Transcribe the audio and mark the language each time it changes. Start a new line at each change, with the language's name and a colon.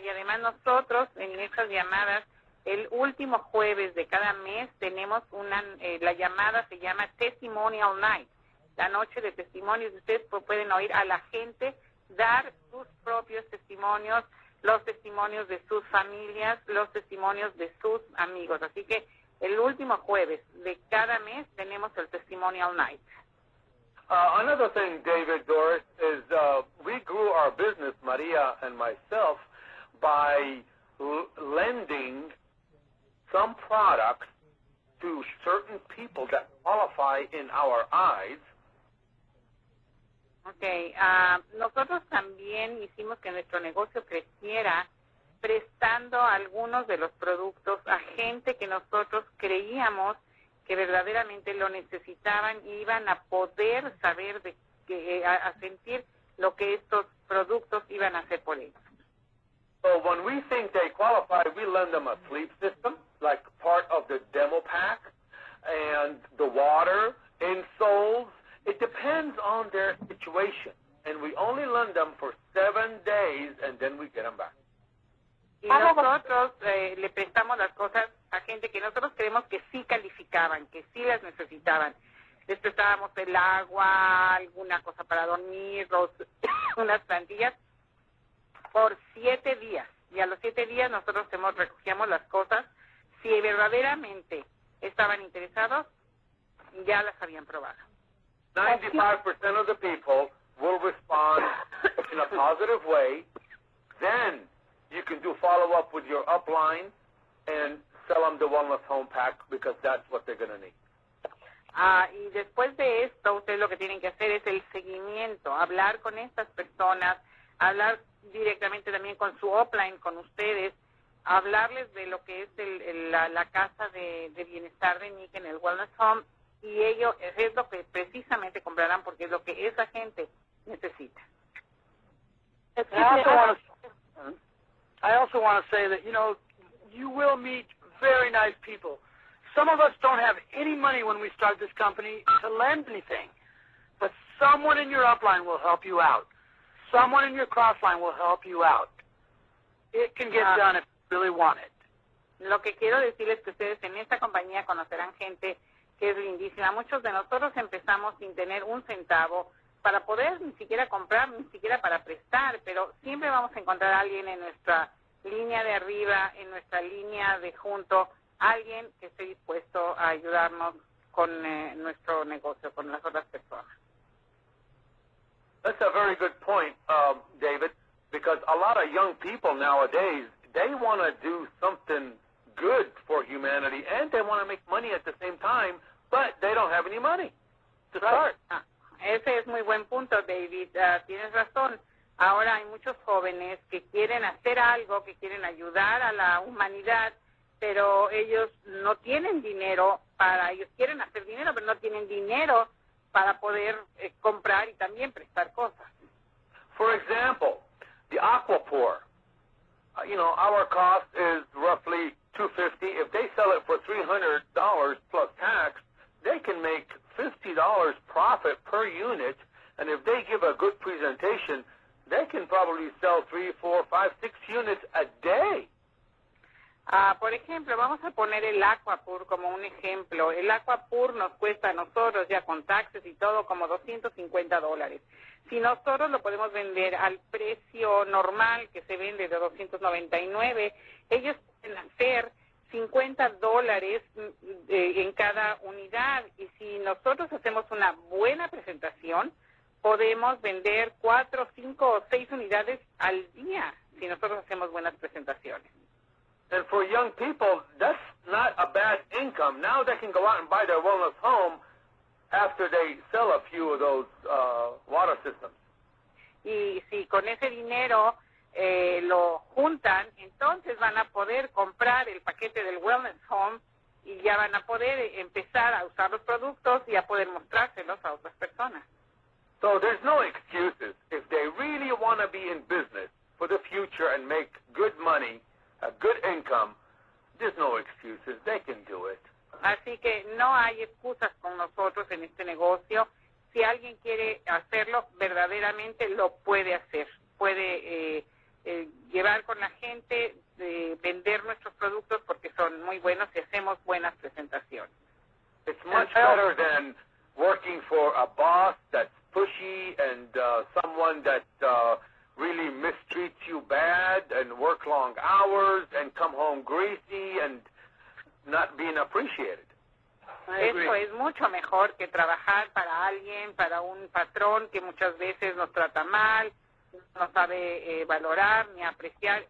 Spanish: Y además nosotros en estas llamadas, el último jueves de cada mes tenemos una, la llamada se llama Testimonial Night, la noche de testimonios. Ustedes pueden oír a la gente dar sus propios testimonios, los testimonios de sus familias, los testimonios de sus amigos. Así que el último jueves de cada mes tenemos el Testimonial Night.
English: Another thing, David, Doris, is we grew our business, Maria and myself, by lending some products to certain people that qualify in our eyes.
Spanish: Okay, nosotros también hicimos que nuestro negocio creciera prestando algunos de los productos a gente que nosotros creíamos que verdaderamente lo necesitaban y iban a poder saber de que a sentir lo que estos productos iban a hacer por ellos.
English: So when we think they qualify, we lend them a sleep system, like part of the demo pack, and the water, insoles. It depends on their situation, and we only lend them for 7 days, and then we get them back.
Spanish: Y nosotros le prestamos las cosas a gente que nosotros creemos que sí calificaban, que sí las necesitaban. Les prestábamos el agua, alguna cosa para dormir, unas plantillas, por 7 días. Y a los 7 días nosotros recogíamos las cosas. Si verdaderamente estaban interesados, ya las habían probado.
English: 95% of the people will respond in a positive way. Then you can do follow-up with your upline and sell them the wellness home pack because that's what they're going to need.
Spanish: Y después de esto, ustedes lo que tienen que hacer es el seguimiento, hablar con estas personas, hablar directamente también con su upline, con ustedes, hablarles de lo que es la casa de bienestar de Nick en el wellness home, y ello es lo que precisamente comprarán porque es lo que esa gente necesita.
English: I also want to say that, you know, you will meet very nice people. Some of us don't have any money when we start this company to lend anything, but someone in your upline will help you out. Someone in your crossline will help you out. It can get done if you really want it.
Spanish: Lo que quiero decirles es que ustedes en esta compañía conocerán gente que es lindísima. Muchos de nosotros empezamos sin tener un centavo para poder ni siquiera comprar, ni siquiera para prestar, pero siempre vamos a encontrar a alguien en nuestra línea de arriba, en nuestra línea de junto, alguien que esté dispuesto a ayudarnos con nuestro negocio, con las otras personas.
English: That's a very good point, David, because a lot of young people nowadays, they want to do something good for humanity, and they want to make money at the same time, but they don't have any money to start.
Spanish: Ese es muy buen punto, David. Tienes razón. Ahora hay muchos jóvenes que quieren hacer algo, que quieren ayudar a la humanidad, pero ellos no tienen dinero para, ellos quieren hacer dinero, pero no tienen dinero para poder comprar y también prestar cosas.
English: For example, the Aquapur, you know, our cost is roughly $250. If they sell it for $300 plus tax, they can make $50 profit per unit, and if they give a good presentation, they can probably sell 3, 4, 5, 6 units a day.
Spanish: Por ejemplo, vamos a poner el Aquapur como un ejemplo. El Aquapur nos cuesta a nosotros, ya con taxes y todo, como $250. Si nosotros lo podemos vender al precio normal que se vende de $299, ellos pueden hacer $50 en cada unidad, y si nosotros hacemos una buena presentación, podemos vender 4, 5,
English: or
Spanish: 6 unidades al día si nosotros hacemos buenas presentaciones.
English: And for young people, that's not a bad income. Now they can go out and buy their wellness home after they sell a few of those water systems.
Spanish: Y si con ese dinero lo juntan, entonces van a poder comprar el paquete del wellness home y ya van a poder empezar a usar los productos y a poder mostrárselos a otras personas.
English: So there's no excuses. If they really want to be in business for the future and make good money, a good income, there's no excuses. They can do it.
Spanish: Así que no hay excusas con nosotros en este negocio. Si alguien quiere hacerlo, verdaderamente lo puede hacer. Puede llevar con la gente, vender nuestros productos porque son muy buenos y hacemos buenas presentaciones.
English: It's much better than working for a boss that's pushy and someone that really mistreats you bad and work long hours and come home greasy and not being appreciated.
Spanish: Eso es mucho mejor que trabajar para alguien, para un patrón que muchas veces nos trata mal, no sabe valorar ni apreciar.